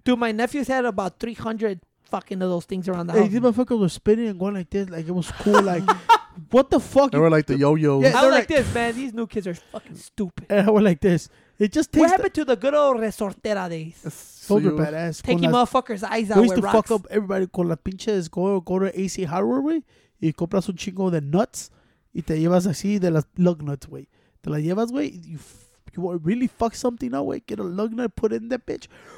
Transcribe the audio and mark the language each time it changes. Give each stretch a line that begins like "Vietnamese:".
English: Dude, my nephew's had about 300... fucking of those things around the house. These motherfuckers were spinning and going like this, like it was cool. Like, what the fuck? They were like the yo-yos. Yeah, I was like this, man. These new kids are fucking stupid. And I was like this. It just takes. What happened to the good old resortera days? So you're badass. Taking motherfuckers' eyes out. We used to fuck up everybody.
Spanish: Con la pinche go to AC Hardware y compras un chingo de nuts y te llevas así de las lug nuts, güey. Te la llevas, güey.
English: You want to really fuck something up, güey? Get a lug nut, put in that bitch.